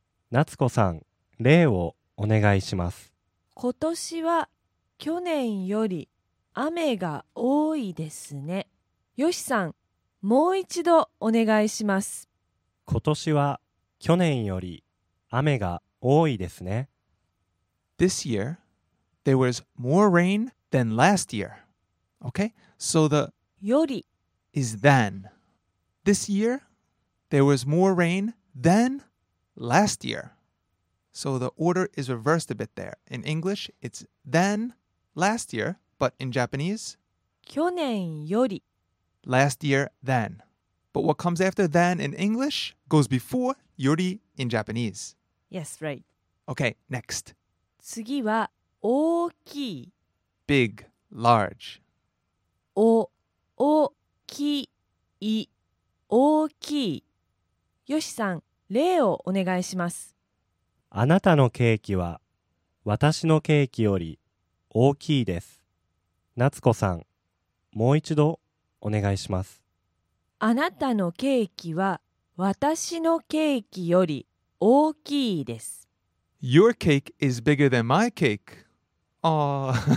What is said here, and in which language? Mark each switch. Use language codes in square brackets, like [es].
[ja] Natsuko-san, 例をお願いします。今年は去年より雨が多いですね。 Yoshi-san, もう一度お願いします。今年は去年より雨が多いですね。 [en] This year, there was more rain than last year. Okay, so the [ja] より [en] is then. This year, there was more rain than last year. So the order is reversed a bit there. In English, it's then last year, but in Japanese, [ja] 去年より [en] last year, then. But what comes after then in English goes before より in Japanese. Yes, right. Okay, next. [ja] 次は大きい。 [en] Big, large. [ja] お、お、き、い、大きい。よしさん、例をお願いします。あなたのケーキは私のケーキより大きいです。夏子さん、もう一度お願いします。あなたのケーキは私のケーキより大きいです。 [en] Your cake is bigger than my cake. Ah.